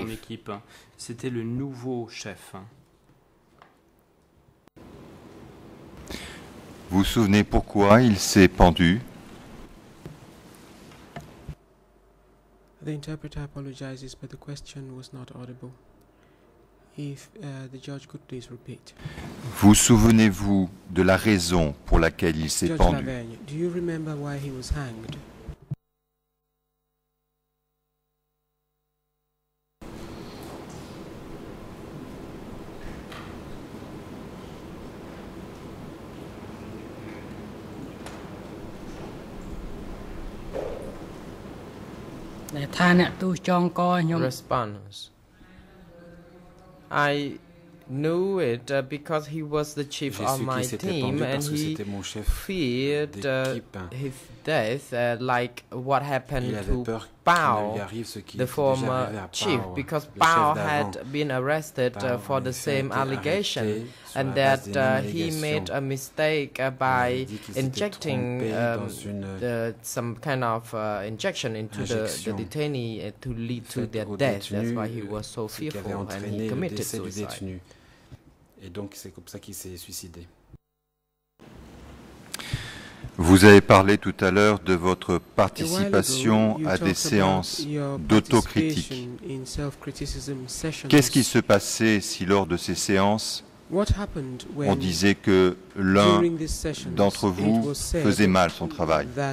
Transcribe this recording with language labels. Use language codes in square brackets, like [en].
[fr] Mon équipe. C'était le nouveau chef. Vous souvenez pourquoi il s'est pendu? [en] The interpreter apologizes, but the question was not audible. If the judge could please repeat. [fr] Vous souvenez-vous de la raison pour laquelle il s'est [en] judge [fr] pendu? [en] Lavergne, do you remember why he was hanged? Response. I knew it because he was the chief of my team and he feared his death like what happened to Bao, the former chief, because Bao had been arrested for the same allegation and that he made a mistake by injecting some kind of injection into the detainee to lead to their death. That's why he was so fearful and he committed suicide. [fr] Et donc, c'est comme ça qu'il s'est suicidé. Vous avez parlé tout à l'heure de votre participation à des séances d'autocritique. Qu'est-ce qui se passait si, lors de ces séances, on disait que l'un d'entre vous faisait mal son travail?